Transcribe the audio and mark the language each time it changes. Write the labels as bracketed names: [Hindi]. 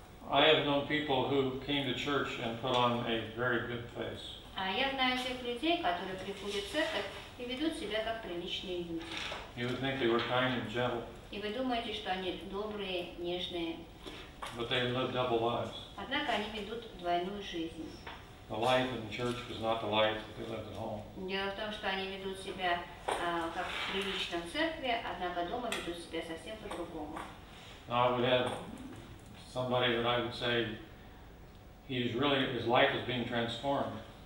[English] I have known people who came to church and put on a very good face. [Russian] А я знаю тех людей, которые приходят в церковь и ведут себя как приличные люди. [English] You would think they were kind and gentle. [Russian] И вы думаете, что они добрые, нежные. [English] But they live double lives. [Russian] Однако они ведут двойную жизнь. [English] The life in the church was not the life that they lived at home. [Russian] Дело в том, что они ведут себя как прилично в церкви, однако дома ведут себя совсем по-другому. [English] Now I would have somebody that I would say he's really his life is being transformed.